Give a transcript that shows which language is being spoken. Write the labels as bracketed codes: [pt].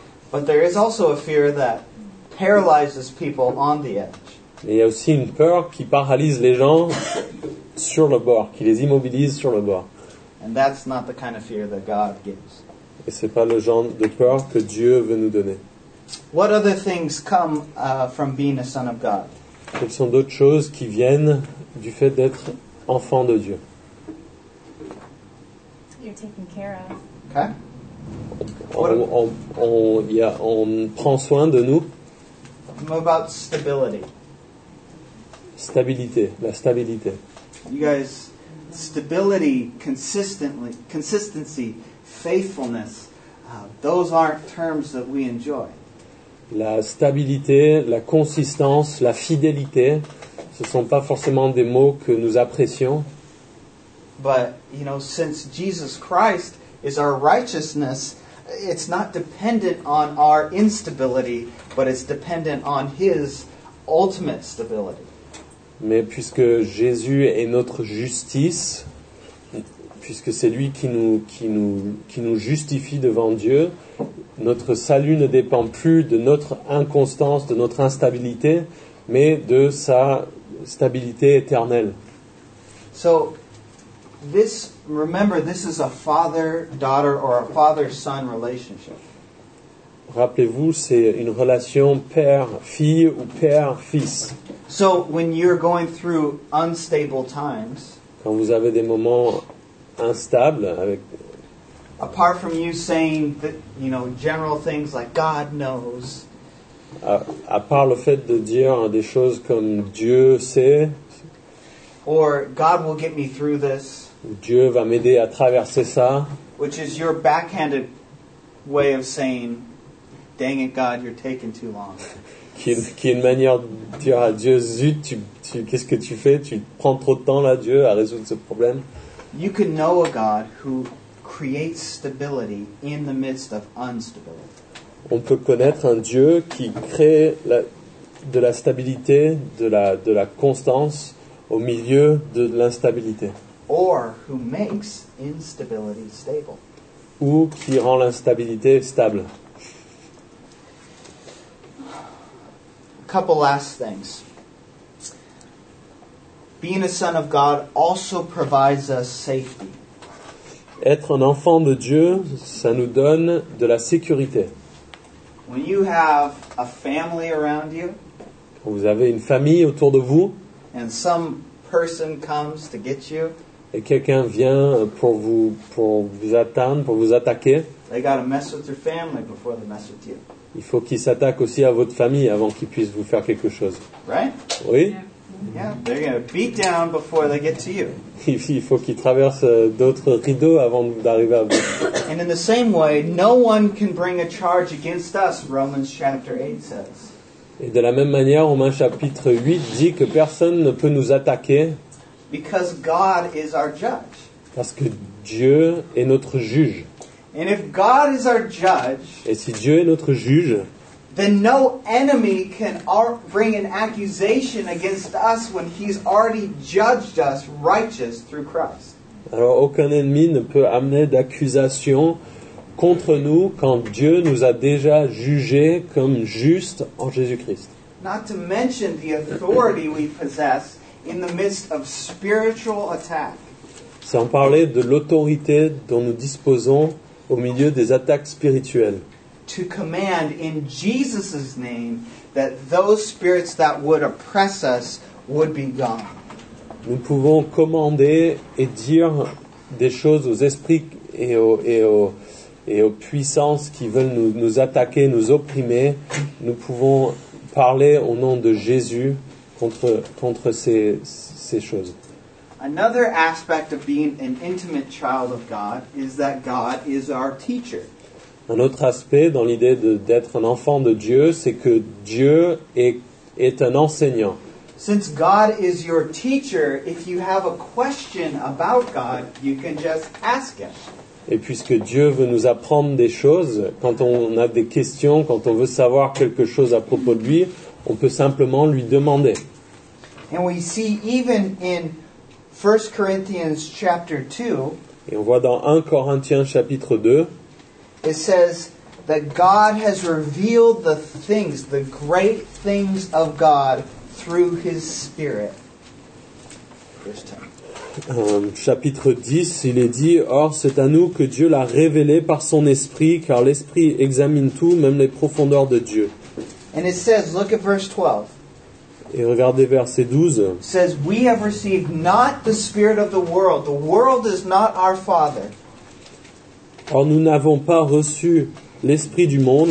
[en] But there is also a fear that paralyzes people on the edge. [fr] Mais il y a aussi une peur qui paralyse les gens sur le bord, qui les immobilise sur le bord. [en] And that's not the kind of fear that God gives. [fr] Et c'est pas le genre de peur que Dieu veut nous donner. [en] What other things come from being a son of God? [fr] Quelles sont d'autres choses qui viennent du fait d'être enfant de Dieu? [en] You're taken care of. Okay. [fr] On prend soin de nous. [en] What about stability? [fr] La stabilité. [en] You guys, stability, consistency, faithfulness, those aren't terms that we enjoy. [fr] La stabilité, la consistance, la fidélité, ce ne sont pas forcément des mots que nous apprécions. [en] But, you know, since Jesus Christ is our righteousness, it's not dependent on our instability, but it's dependent on his ultimate stability. [fr] Mais puisque Jésus est notre justice, puisque c'est lui qui nous justifie devant Dieu, notre salut ne dépend plus de notre inconstance, de notre instabilité, mais de sa stabilité éternelle. [en] So, this, remember, this is a father-daughter or a father-son relationship. [fr] Rappelez-vous, c'est une relation père-fille ou père-fils. [en] So, when you're going through unstable times, [fr] quand vous avez des moments instables avec... [en] Apart from you saying that, you know, general things like God knows. [fr] À part le fait de dire des choses comme Dieu sait. [en] Or God will get me through this. [fr] Dieu va m'aider à traverser ça. [en] Which is your backhanded way of saying, "Dang it, God, you're taking too long." [fr] qui est une manière de dire à Dieu, zut, tu qu'est-ce que tu fais? Tu prends trop de temps là, Dieu, à résoudre ce problème. [en] You can know a God who create stability in the midst of instability. [fr] On peut connaître un Dieu qui crée de la stabilité, de la constance au milieu de l'instabilité. [en] Or who makes instability stable. [fr] Ou qui rend l'instabilité stable. [en] A couple last things. Being a son of God also provides us safety. [fr] Être un enfant de Dieu, ça nous donne de la sécurité. [en] When you have a family around you, [fr] quand vous avez une famille autour de vous, [en] and some person comes to get you, [fr] et quelqu'un vient pour vous atteindre, pour vous attaquer, [en] they gotta mess with your family before they mess with you. [fr] Il faut qu'ils s'attaquent aussi à votre famille avant qu'ils puissent vous faire quelque chose. [en] Right? [fr] Oui. [en] Yeah, they're gonna beat down before they get to you. [fr] Il faut qu'ils traversent d'autres rideaux avant d'arriver à vous. [en] And in the same way, no one can bring a charge against us, Romans chapter 8 says. [fr] Et de la même manière, Romains chapitre 8 dit que personne ne peut nous attaquer. [en] Because God is our judge. [fr] Parce que Dieu est notre juge. [en] And if God is our judge, [fr] et si Dieu est notre juge, [en] then no enemy can bring an accusation against us when he's already judged us righteous through Christ. [fr] Alors aucun ennemi ne peut amener d'accusation contre nous quand Dieu nous a déjà jugés comme justes en Jésus-Christ. [en] Not to mention the authority we possess in the midst of spiritual attack. [fr] Sans parler de l'autorité dont nous disposons au milieu des attaques spirituelles. [en] To command in Jesus' name that those spirits that would oppress us would be gone. [fr] Nous pouvons commander et dire des choses aux esprits et aux, et aux, et aux puissances qui veulent nous attaquer, nous opprimer, nous pouvons parler au nom de Jésus contre ces choses. [en] Another aspect of being an intimate child of God is that God is our teacher. [fr] Un autre aspect dans l'idée d'être un enfant de Dieu, c'est que Dieu est un enseignant. [en] Since God is your teacher, if you have a question about God, you can just ask him. [fr] Et puisque Dieu veut nous apprendre des choses, quand on a des questions, quand on veut savoir quelque chose à propos de lui, on peut simplement lui demander. [en] And we see even in 1 Corinthians chapter 2, [fr] et on voit dans 1 Corinthiens chapitre 2, [en] it says that God has revealed the things, the great things of God through his Spirit. First time. [fr] Chapitre 10, il est dit: Or, c'est à nous que Dieu l'a révélé par son esprit, car l'esprit examine tout, même les profondeurs de Dieu. [en] And it says, look at verse 12. [fr] Et regardez verset 12. [en] It says, we have received not the spirit of the world. The world is not our father. [fr] Or, nous n'avons pas reçu l'esprit du monde.